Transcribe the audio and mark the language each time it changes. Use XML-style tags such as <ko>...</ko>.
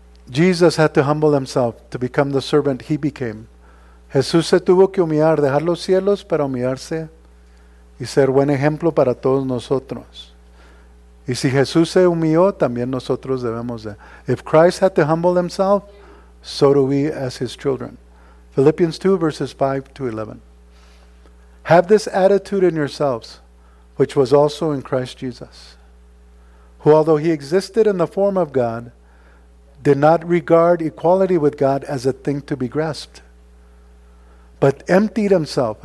<en>Jesus had to humble himself to become the servant he became.</en> <es>Jesús se tuvo que humillar, dejar los cielos para humillarse y ser buen ejemplo para todos nosotros. Y si Jesús se humilló, también nosotros debemos de.</es> <en>If Christ had to humble himself, so do we as his children. Philippians 2, verses 5 to 11. Have this attitude in yourselves, which was also in Christ Jesus, who although he existed in the form of God, did not regard equality with God as a thing to be grasped, but emptied himself.</en>